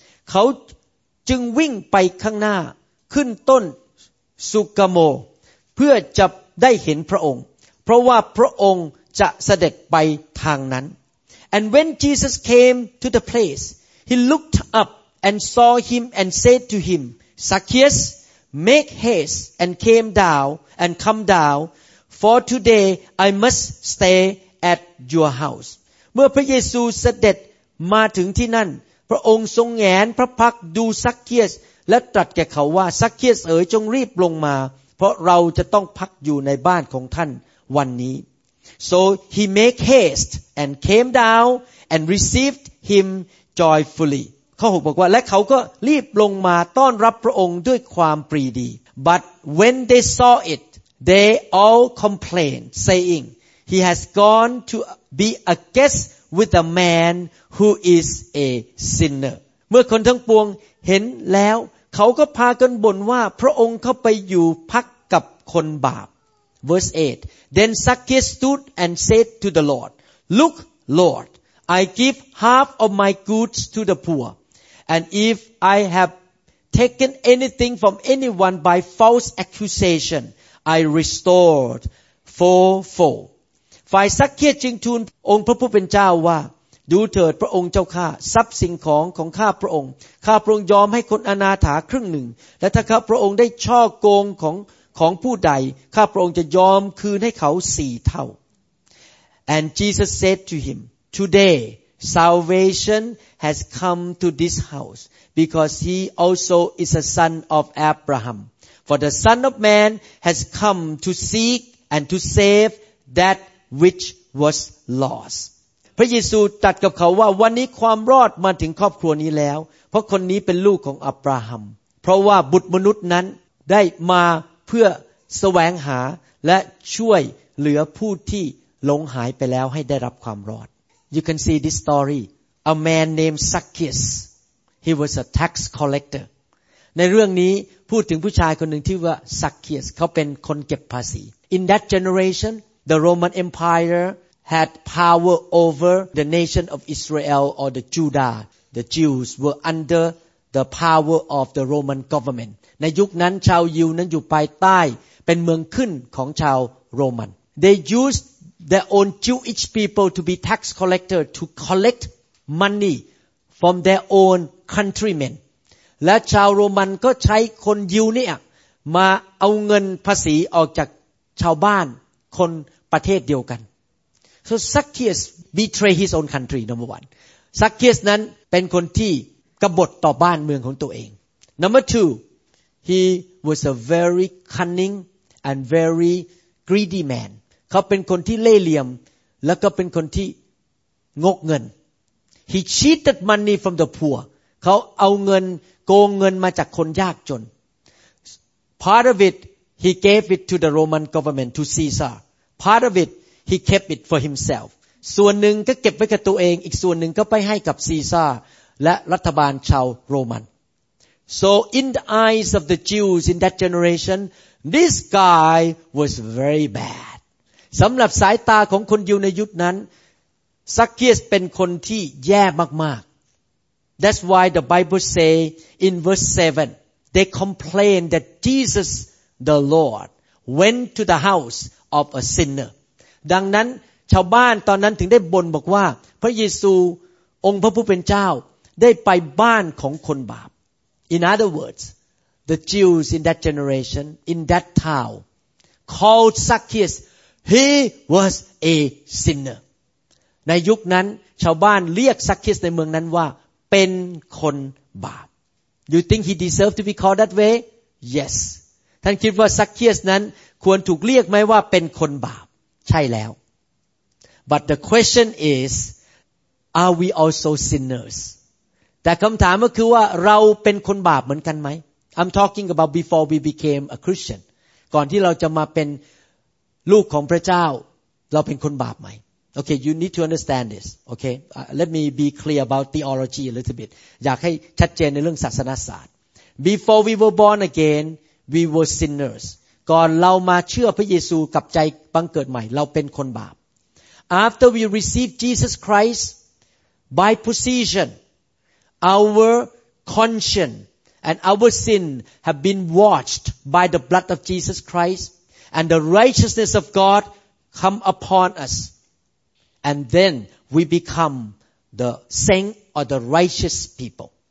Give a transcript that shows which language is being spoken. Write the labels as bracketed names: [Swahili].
[Thai] เขาจึงวิ่งไปข้างหน้าขึ้นต้นซูกาโมเพื่อจะได้เห็นพระองค์เพราะว่าพระองค์จะเสด็จไปทางนั้น [English] And when Jesus came to the place, he looked up and saw him and said to him, Zacchaeus, make haste and came down and come down, for today I must stay at your house. [Thai] เมื่อพระเยซูเสด็จมาถึงที่นั่นพระองค์ทรงแหงพระพักดูซักเคียสและตรัสแก่เขาว่าซักเคียสเอ๋ยจงรีบลงมาเพราะเราจะต้องพักอยู่ในบ้านของท่านวันนี้ [English] So he make haste and came down and received him joyfully [Thai] ข้อ6บอกว่าและเขาก็รีบลงมาต้อนรับพระองค์ด้วยความปรีดี [English] But when they saw it they all complained saying he has gone to be a guest with a man who is a sinner [Thai] เมื่อคนทั้งปวงเห็นแล้วเขาก็พากันบ่นว่าพระองค์เข้าไปอยู่พักกับคนบาป [English] Verse 8 Then Zacchaeus stood and said to the Lord Look Lord I give half of my goods to the poor and if I have taken anything from anyone by false accusation I restored fourfold [Thai] ฝ่ายซักเคียสจึงทูลองค์พระผู้เป็นเจ้าว่าดูเถิดพระองค์เจ้าข้าทรัพย์สินของของข้าพระองค์ข้าพระองค์ยอมให้คนอนาถาครึ่งหนึ่งและถ้าข้าพระองค์ได้ฉ้อโกงของผู้ใดข้าพระองค์จะยอมคืนให้เขา4เท่า [English] And Jesus said to him Today salvation has come to this house because he also is a son of Abraham for the son of man has come to seek and to save that which was lost [Thai] พระเยซูตรัสกับเขาว่าวันนี้ความรอดมาถึงครอบครัวนี้แล้วเพราะคนนี้เป็นลูกของอับราฮัมเพราะว่าบุตรมนุษย์นั้นได้มาเพื่อแสวงหาและช่วยเหลือผู้ที่หลงหายไปแล้วให้ได้รับความรอด [English] You can see this story a man named Zacchaeus he was a tax collector [Thai] ในเรื่องนี้พูดถึงผู้ชายคนหนึ่งที่ว่า Zacchaeus เขาเป็นคนเก็บภาษี [English] In that generation the Roman EmpireHad power over the nation of Israel or the Judah. The Jews were under the power of the Roman government. [Thai] ในยุคนั้นชาวยิวนั้นอยู่ภายใต้เป็นเมืองขึ้นของชาวโรมัน [English] They used their own Jewish people to be tax collector to collect money from their own countrymen. [Thai] และชาวโรมันก็ใช้คนยิวเนี่ยมาเอาเงินภาษีออกจากชาวบ้านคนประเทศเดียวกัน [English] So Zacchaeus betrayed his own country, number one. [Thai] Zacchaeus นั้นเป็นคนที่กบฏต่อบ้านเมืองของตัวเอง [English] Number two, he was a very cunning and very greedy man. [Thai] เขาเป็นคนที่เล่ห์เหลี่ยมแล้วก็เป็นคนที่งกเงิน [English] He cheated money from the poor. [Thai] เขาเอาเงินโกงเงินมาจากคนยากจน [English] Part of it, he gave it to the Roman government, to Caesar. Part of itHe kept it for himself. [Thai] ส่วนหนึ่งก็เก็บไว้กับตัวเองอีกส่วนหนึ่งก็ไปให้กับซีซาร์และรัฐบาลชาวโรมัน [English] So in the eyes of the Jews in that generation, this guy was very bad. [Thai] สำหรับสายตาของคนยิวในยุคนั้นซักเคียสเป็นคนที่แย่มาก [English] ๆ That's why the Bible say in verse 7, they complained that Jesus the Lord went to the house of a sinner. [Thai] ดังนั้นชาวบ้านตอนนั้นถึงได้บ่นบอกว่าพระเยซูองค์พระผู้เป็นเจ้าได้ไปบ้านของคนบาป [English] In other words the Jews in that generation in that town called Zacchaeus he was a sinner [Thai] ในยุคนั้นชาวบ้านเรียกซักเคียสในเมืองนั้นว่าเป็นคนบาป [English] You think he deserved to be called that way [Thai] Yes ท่านคิดว่าซักเคียสนั้นควรถูกเรียกไหมว่าเป็นคนบาปใช่แล้ว [English] but the question is are we also sinners [Thai] แต่คำถามก็คือว่าเราเป็นคนบาปเหมือนกันไหม [English] I'm talking about before we became a Christian [Thai] ก่อนที่เราจะมาเป็นลูกของพระเจ้าเราเป็นคนบาปไหม [English] okay you need to understand this okay let me be clear about theology a little bit [Thai] อยากให้ชัดเจนในเรื่องศาสนศาสตร์ [English] before we were born again we were sinners [Thai] ก่อนเรามาเชื่อพระเยซูกับใจบังเกิดใหม่เราเป็นคนบาป [English] After we receive Jesus Christ by position our conscience and our sin have been washed by the blood of Jesus Christ and the righteousness of God come upon us and then we become the saint or the righteous people